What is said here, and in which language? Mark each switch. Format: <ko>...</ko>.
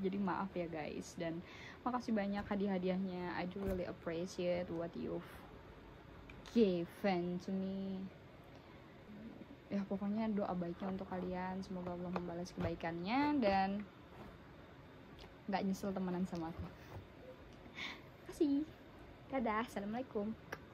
<id>Jadi maaf ya guys, dan makasih banyak hadiah-hadiahnya.</id> <en>I do really appreciate what you've given to me.</en> <id>Ya pokoknya doa baiknya untuk kalian, semoga Allah membalas kebaikannya dan gak nyesel temenan sama aku. Makasih. Dadah, assalamualaikum.</id>